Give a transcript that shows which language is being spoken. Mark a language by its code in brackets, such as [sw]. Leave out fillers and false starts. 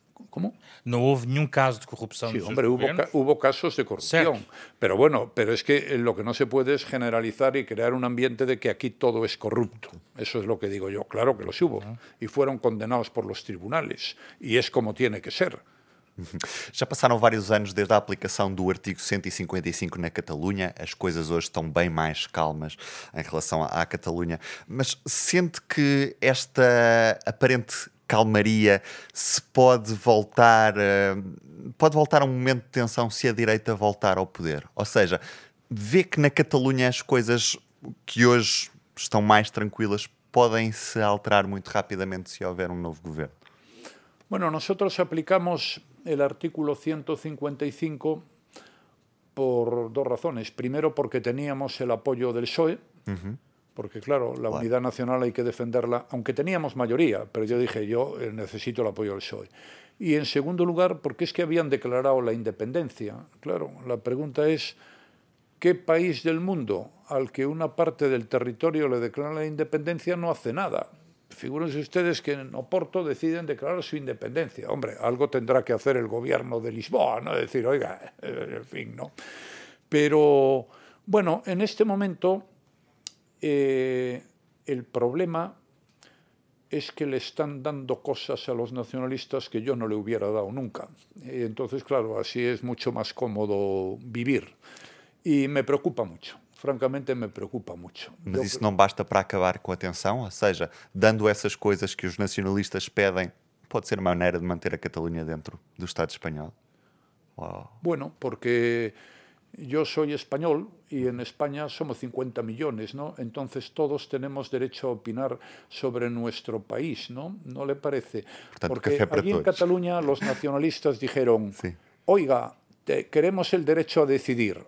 [es] ¿Cómo? No hubo ningún caso de corrupción. Sí, hombre, hubo casos de corrupción. [pt] Certo. [es] Pero bueno, pero es que lo que no se puede es generalizar y crear un ambiente de que aquí todo es corrupto. Eso es lo que digo yo. Claro que los hubo. Y fueron condenados por los tribunales. Y es como tiene que ser. [pt] Já passaram vários anos desde a aplicação do artigo 155 na Catalunha. As coisas hoje estão bem mais calmas em relação à Catalunha. Mas sente que esta aparente calmaria se pode voltar a um momento de tensão se a direita voltar ao poder? Ou seja, vê que na Catalunha as coisas que hoje estão mais tranquilas podem se alterar muito rapidamente se houver um novo governo? [es] Bueno, nosotros aplicamos el artículo 155 por dos razones. Primero, porque teníamos el apoyo del PSOE, porque claro, la unidad nacional hay que defenderla, aunque teníamos mayoría, pero yo dije, yo necesito el apoyo del PSOE. Y en segundo lugar, porque es que habían declarado la independencia. Claro, la pregunta es, ¿qué país del mundo al que una parte del territorio le declara la independencia no hace nada? Figúrense ustedes que en Oporto deciden declarar su independencia. Hombre, algo tendrá que hacer el gobierno de Lisboa, ¿no? Decir, oiga, en fin, ¿no? Pero, bueno, en este momento el problema es que le están dando cosas a los nacionalistas que yo no le hubiera dado nunca. Entonces, claro, así es mucho más cómodo vivir. Y me preocupa mucho. francamente me preocupa mucho. [pt] Mas isso não basta para acabar com a tensão? Ou seja, dando essas coisas que os nacionalistas pedem, pode ser uma maneira de manter a Catalunha dentro do Estado espanhol? [es] Bueno, porque yo soy español y en España somos 50 millones, ¿no? Entonces todos tenemos derecho a opinar sobre nuestro país, ¿no? ¿No le parece? [pt] Portanto, [es] porque café para allí todos. En Cataluña los nacionalistas dijeron, sí. Oiga, queremos el derecho a decidir.